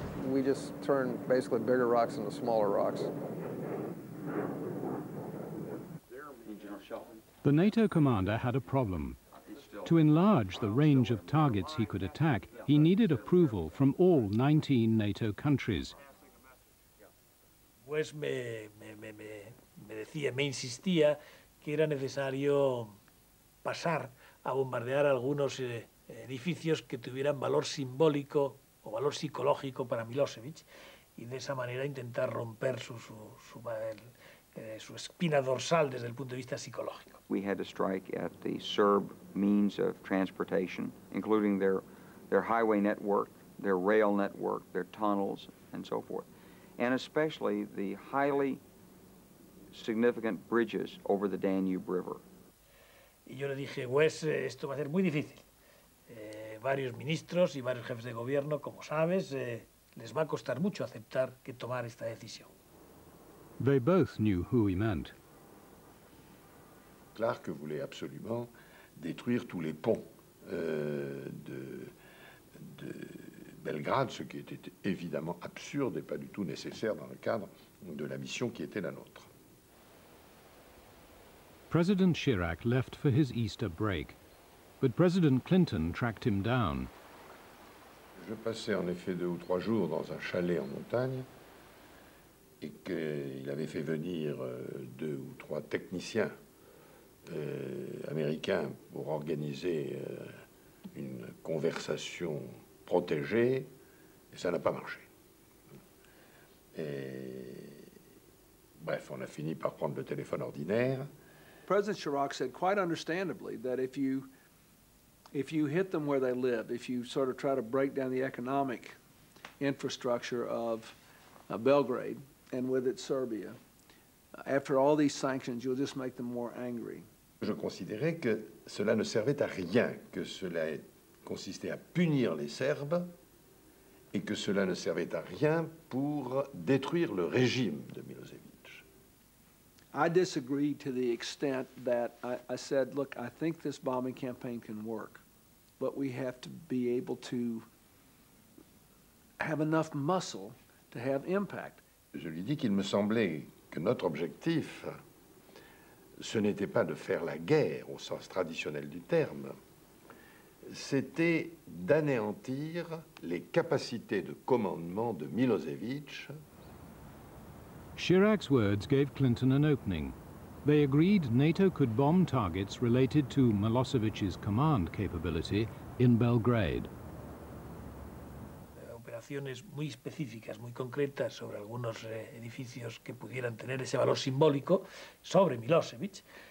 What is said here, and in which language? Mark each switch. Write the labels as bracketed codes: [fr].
[en] We just turned basically bigger rocks into smaller rocks. The NATO commander had a problem. To enlarge the range of targets he could attack, he needed approval from all 19 NATO countries. [es] después me decía, me insistía que era necesario pasar a bombardear algunos edificios que tuvieran valor simbólico o valor psicológico para Milosevic y de esa manera intentar romper su espina dorsal desde el punto de vista psicológico. [en] We had to strike at the Serb means of transportation, including their highway network, their rail network, their tunnels, and so forth, and especially the highly significant bridges over the Danube River. [es] Y yo le dije, Wes, esto va a ser muy difícil. Varios ministros y varios jefes de gobierno, como sabes, les va a costar mucho aceptar que tomar esta decisión. [en] They both knew who he meant. [fr] Clark voulait absolument détruire tous les ponts de Belgrade, ce qui était évidemment absurde et pas du tout nécessaire dans le cadre de la mission qui était la nôtre. [en] President Chirac left for his Easter break, but President Clinton tracked him down. [fr] Je passais en effet deux ou trois jours dans un chalet en montagne, et qu'il avait fait venir deux ou trois techniciens américains pour organiser une conversation protégée, et ça n'a pas marché. Et bref, on a fini par prendre le téléphone ordinaire. [en] President Chirac said, quite understandably, that if you hit them where they live, if you sort of try to break down the economic infrastructure of Belgrade and with it Serbia, after all these sanctions, you'll just make them more angry. [fr] Je considérais que cela ne servait à rien, que cela consistait à punir les Serbes et que cela ne servait à rien pour détruire le régime de Milosevic. [en] I disagreed to the extent that I said, look, I think this bombing campaign can work, but we have to be able to have enough muscle to have impact. [fr] Je lui dis qu'il me semblait que notre objectif, ce n'était pas de faire la guerre au sens traditionnel du terme, c'était d'anéantir les capacités de commandement de Milosevic. [en] Chirac's words gave Clinton an opening. They agreed NATO could bomb targets related to Milosevic's command capability in Belgrade. [es] Operaciones muy específicas, muy concretas sobre algunos edificios que pudieran tener ese valor simbólico sobre Milosevic.